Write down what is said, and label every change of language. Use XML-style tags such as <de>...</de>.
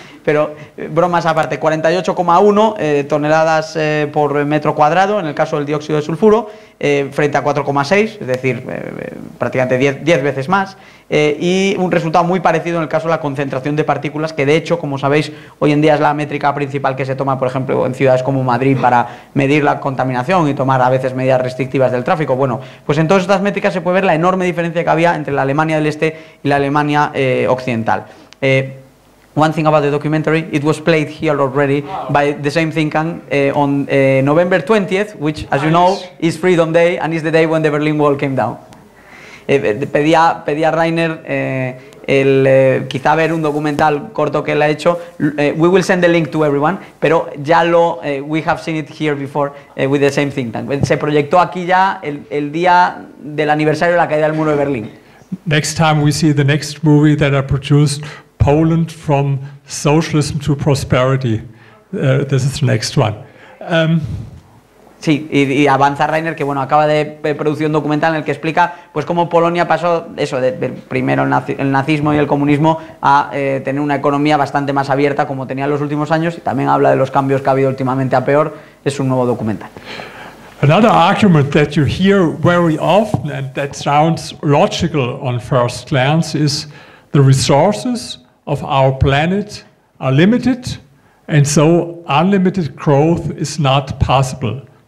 <es>Pero bromas aparte, 48,1 toneladas por metro cuadrado en el caso del dióxido de sulfuro, frente a 4,6, es decir, prácticamente 10 veces más, y un resultado muy parecido en el caso de la concentración de partículas, que de hecho, como sabéis, hoy en día es la métrica principal que se toma, por ejemplo, en ciudades como Madrid para medir la contaminación y tomar a veces medidas restrictivas del tráfico. Bueno, pues en todas estas métricas se puede ver la enorme diferencia que había entre la Alemania del Este y la Alemania Occidental.</es> <en>One thing about the documentary, it was played here already by the same thinking on November 20th, which, as you know, is Freedom Day and is the day when the Berlin Wall came down.</en> <es>Pedía Rainer quizá ver un documental corto que él ha hecho.</es> <en>We will send the link to everyone,</en> <es>pero ya lo,</es> <en>we have seen it here before with the same thinking.</en> <es>Se proyectó aquí ya el día del aniversario de la caída del muro de Berlín.</es> <en>Next time we see the next movie that I produced, Poland from Socialism to Prosperity. This is the next one.</en> <es>Sí, y avanza Rainer, que bueno, acaba de producir un documental en el que explica pues cómo Polonia pasó eso de primero el nazismo y el comunismo a tener una economía bastante más abierta como tenía en los últimos años, y también habla de los cambios que ha habido últimamente a peor. Es un nuevo documental.</es> <en>Another argument that you hear very often and that sounds logical on first glance is the resources of our planet are limited, and so unlimited growth is not possible.</en>